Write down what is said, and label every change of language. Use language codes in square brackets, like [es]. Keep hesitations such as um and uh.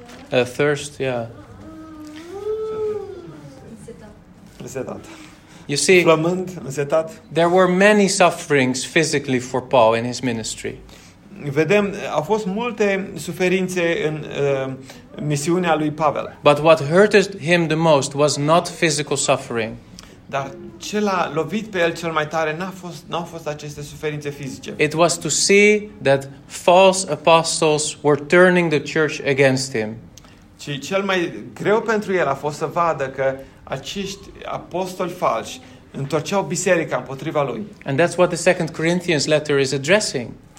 [en] A thirst, yeah. [ro] Resetat. [en] You see, [ro] Flământ, însetat. [en] there were many sufferings physically for Paul in his ministry. [ro] Vedem, au fost multe suferințe în uh, misiunea lui Pavel. [en] But what hurted him the most was not physical suffering. [ro] Dar ce l-a lovit pe el cel mai tare n-a fost n-au fost aceste suferințe fizice. [en] It was to see that false apostles were turning the church against him. [ro] Și cel mai greu pentru el a fost să vadă că acești apostoli falși întorceau biserica împotriva lui. [en] And that's what the second Corinthians letter is addressing.